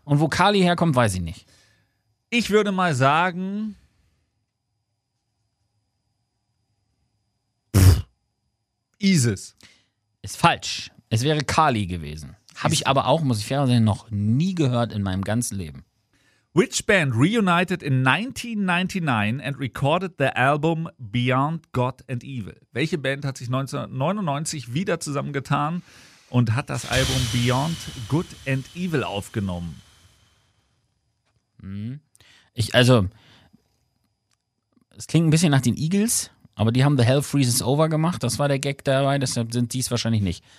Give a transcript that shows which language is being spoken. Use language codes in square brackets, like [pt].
[de] Und wo Kali herkommt, weiß ich nicht. Ich würde mal sagen, Isis. Ist falsch. Es wäre Kali gewesen. Habe ich aber auch, muss ich fair sein, noch nie gehört in meinem ganzen Leben. [en] Which band reunited in 1999 and recorded the album Beyond God and Evil? [de] Welche Band hat sich 1999 wieder zusammengetan und hat das Album Beyond Good and Evil aufgenommen? Ich, also, es klingt ein bisschen nach den Eagles, Aber die haben The Hell Freezes Over gemacht. Das war der Gag dabei, deshalb sind die es wahrscheinlich nicht.